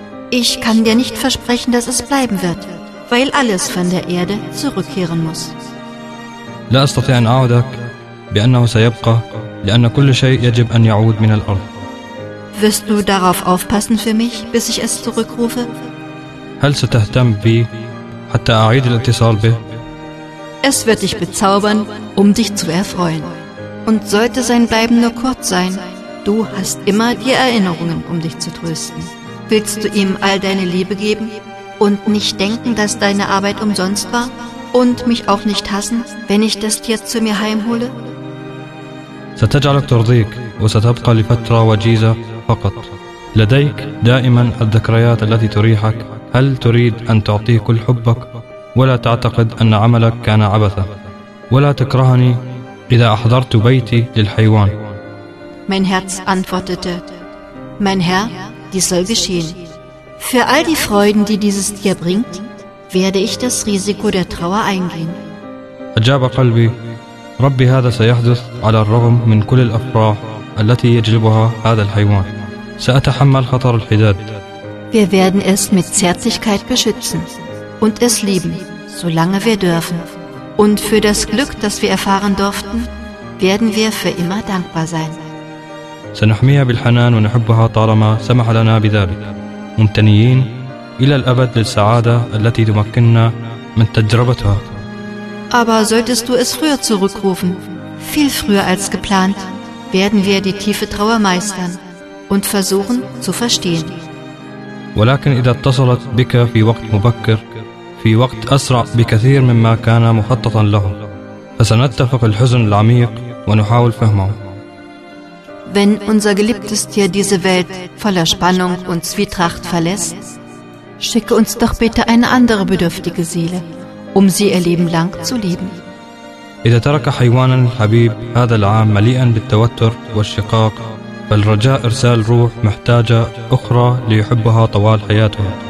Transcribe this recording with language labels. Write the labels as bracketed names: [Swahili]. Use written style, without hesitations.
[German] Ich kann dir nicht versprechen, dass es bleiben wird, weil alles von der Erde zurückkehren muss. [Arabic] لا أستطيع أن أعدك بأنه سيبقى لأن كل شيء يجب أن يعود من الأرض. [German] Wirst du darauf aufpassen für mich, bis ich es zurückrufe? [Arabic] هل ستهتم بي حتى أعيد الاتصال به؟ [German] Es wird dich bezaubern, dich zu erfreuen. Und sollte sein Bleiben nur kurz sein, du hast immer die Erinnerungen, dich zu trösten. Willst du ihm all deine Liebe geben und nicht denken, dass deine Arbeit umsonst war? Und mich auch nicht hassen, wenn ich das Tier zu mir heimhole? [Arabic] ستجعلك ترضيك وستبقى لفترة وجيزة فقط. لديك دائما الذكريات التي تريحك. هل تريد أن تعطيه كل حبك؟ ولا تعتقد أن عملك كان عبثا. ولا تكرهني إذا أحضرت بيتي للحيوان. [German] Mein Herz antwortete: Mein Herr, dies soll geschehen. Für all die Freuden, die dieses Tier bringt, werde ich das Risiko der Trauer eingehen. [Arabic] أجاب قلبي: ربي هذا سيحدث على الرغم من كل الأفراح التي يجلبها هذا الحيوان. سأتحمل خطر الحداد. [German] Wir werden es mit Zärtlichkeit beschützen und es lieben, solange wir dürfen. Und für das Glück, das wir erfahren durften, werden wir für immer dankbar sein. [Arabic] سنحميها بالحنان ونحبها طالما سمح لنا بذلك. ممتنين إلى الأبد للسعادة التي تمكننا من تجربتها. [German] Aber solltest du es früher zurückrufen, viel früher als geplant, werden wir die tiefe Trauer meistern und versuchen zu verstehen. [Arabic] ولكن إذا اتصلت بك في وقت مبكر في وقت أسرع بكثير مما كان مخططا له فسنتفق الحزن العميق ونحاول فهمه. [German] Wenn unser geliebtes Tier diese Welt voller Spannung und Zwietracht verlässt, schicke uns doch bitte eine andere bedürftige Seele. Sie ihr Leben lang zu lieben. [Arabic] إذا ترك حيوانا الحبيب هذا العام مليئا بالتوتر والشقاق فالرجاء إرسال روح محتاجة أخرى ليحبها طوال حياته.